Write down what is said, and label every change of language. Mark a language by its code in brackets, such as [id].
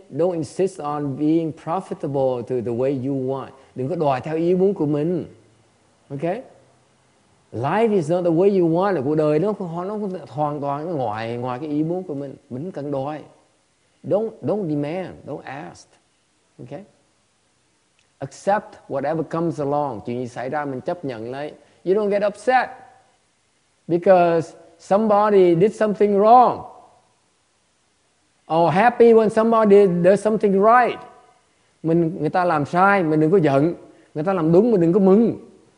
[en] Don't insist on being profitable to the way you want. [vi] Đừng có đòi theo ý muốn của mình. Okay? [en] Life is not the way you want. [vi] Cuộc đời nó hoàn toàn ngoài cái ý muốn của mình. Mình cần đòi. [en] Don't demand, don't ask. Okay? Accept whatever comes along. [vi] Chuyện gì xảy ra mình chấp nhận lấy. [en] You don't get upset because somebody did something wrong. Or happy when somebody does something right. [vi] Người ta làm sai, mình đừng có giận. Người ta làm đúng, mình đừng có mừng.